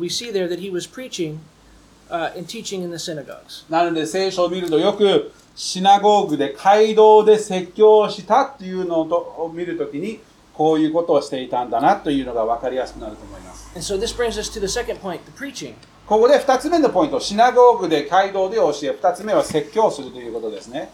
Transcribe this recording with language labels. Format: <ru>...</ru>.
<en>We see there that he was preaching and teaching in the synagogues.</en> <ja>なので聖書を見るとよくシナゴーグで街道で説教をしたっていうのを見るときにこういうことをしていたんだなというのが分かりやすくなると思います。</ja> <en>And so this brings us to the second point, the preaching.</en> <ja>ここで二つ目のポイント、シナゴーグで街道で教え、二つ目は説教するということですね。</ja>